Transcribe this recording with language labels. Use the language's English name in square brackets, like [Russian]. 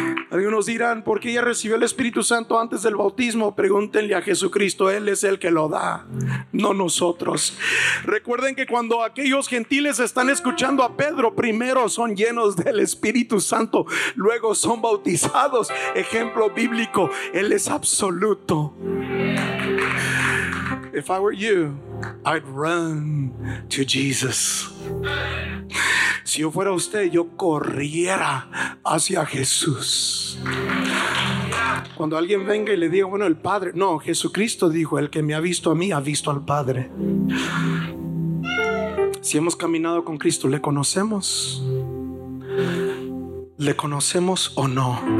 [Spanish] Algunos dirán: ¿por qué ella recibió el Espíritu Santo antes del bautismo? Pregúntenle a Jesucristo, Él es el que lo da, no nosotros. Recuerden que cuando aquellos gentiles están escuchando a Pedro, primero son llenos del Espíritu Santo, luego son bautizados. Ejemplo bíblico, Él es absoluto. [English] If I were you, I'd run to Jesus. [Spanish] Si yo fuera usted, yo corriera hacia Jesús. Cuando alguien venga y le diga: bueno, el Padre. No, Jesucristo dijo: el que me ha visto a mí ha visto al Padre. Si hemos caminado con Cristo, ¿le conocemos? ¿Le conocemos o no?